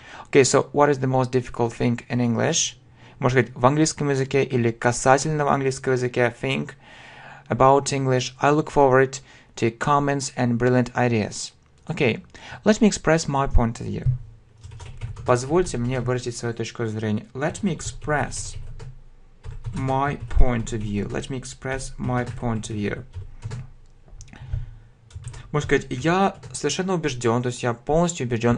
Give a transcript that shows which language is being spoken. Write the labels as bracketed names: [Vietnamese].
[English] Okay, so what is the most difficult thing in English? [Russian] Может быть, в английском языке или касательно в английском языке. [English] Think about English. I look forward to comments and brilliant ideas. Okay, let me express my point of view. [Russian] Позвольте мне выразить свою точку зрения. [English] Let me express my point of view. Let me express my point of view. [Russian] Можно сказать, я совершенно убежден, то есть я полностью убежден.